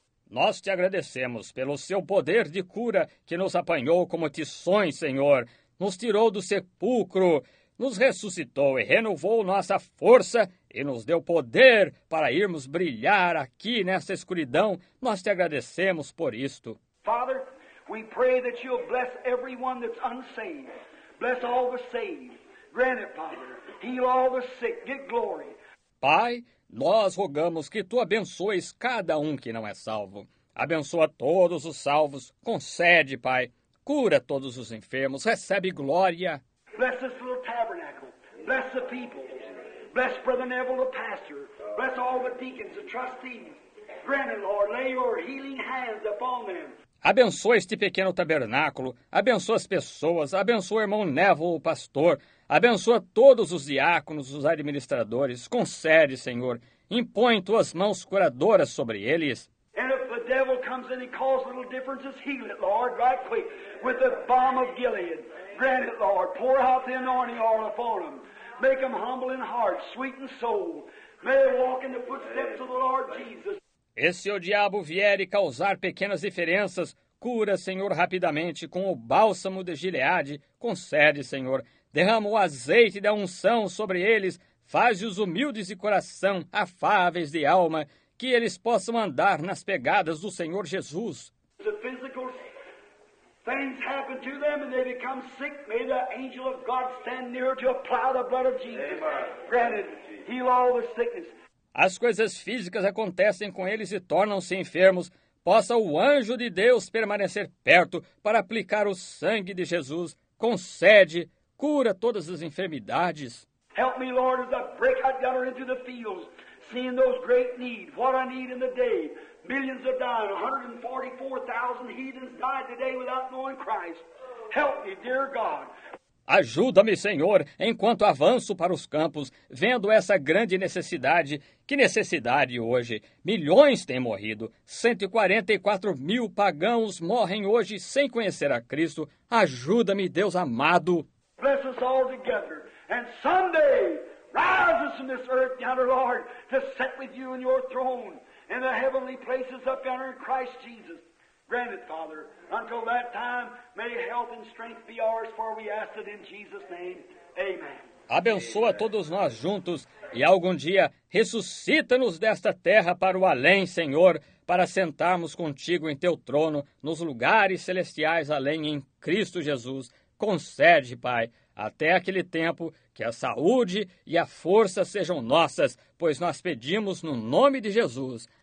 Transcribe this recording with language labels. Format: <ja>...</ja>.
<pt>Nós te agradecemos pelo seu poder de cura que nos apanhou como tições, Senhor. Nos tirou do sepulcro, nos ressuscitou e renovou nossa força e nos deu poder para irmos brilhar aqui nessa escuridão. Nós te agradecemos por isto.</pt> <en>Father, we pray that you'll bless everyone that's unsaved. Bless all the saved. Grant it, Father. Heal all the sick. Get glory.</en> <pt>Pai, nós rogamos que tu abençoes cada um que não é salvo. Abençoa todos os salvos. Concede, Pai. Cura todos os enfermos. Recebe glória.</pt> <en>Bless this little tabernacle. Bless the people. Bless Brother Neville, the pastor. Bless all the deacons, the trustees. Grant it, Lord. Lay your healing hands upon them.</en> <pt>Abençoa este pequeno tabernáculo. Abençoa as pessoas. Abençoa o irmão Neville, o pastor. Abençoa todos os diáconos, os administradores. Concede, Senhor. Impõe tuas mãos curadoras sobre eles.</pt> <en>And if the devil comes in and causes little differences, heal it, Lord, right quick. With the balm of Gilead. Grant it, Lord. Pour out the anointing oil upon them. Make them humble in heart, sweet in soul. May they walk in the footsteps of the Lord Jesus.</en> <pt>E se o diabo vier e causar pequenas diferenças, cura, Senhor, rapidamente com o bálsamo de Gileade. Concede, Senhor. Derrama o azeite da unção sobre eles. Faz os humildes de coração, afáveis de alma, que eles possam andar nas pegadas do Senhor Jesus.</pt> <en>The physical things happen to them and they become sick. May the angel of God stand near to apply the blood of Jesus. Granted, heal all the sickness.</en> <pt>As coisas físicas acontecem com eles e tornam-se enfermos. Possa o anjo de Deus permanecer perto para aplicar o sangue de Jesus. Concede, cura todas as enfermidades.</pt> <en>Help me, Lord, as I break out yonder into the fields, seeing those great needs. What I need in the day. Millions have died. 144,000 heathens died today without knowing Christ. Help me, dear God.</en> <pt>Ajuda-me, Senhor, enquanto avanço para os campos, vendo essa grande necessidade. Que necessidade hoje! Milhões têm morrido. 144 mil pagãos morrem hoje sem conhecer a Cristo. Ajuda-me, Deus amado.</pt> <en>Bless us all together. And someday, rise us from this earth, yonder, Lord, to sit with you in your throne, in the heavenly places up yonder in Christ Jesus. Grant it, Father. Until that time, may health and strength be ours, for we ask it in Jesus' name. Amen.</en> <pt>Abençoa</pt> <en>Amen.</en> <pt>Todos nós juntos e algum dia ressuscita-nos desta terra para o além, Senhor, para sentarmos contigo em teu trono, nos lugares celestiais além em Cristo Jesus. Concede, Pai, até aquele tempo que a saúde e a força sejam nossas, pois nós pedimos no nome de Jesus.</pt>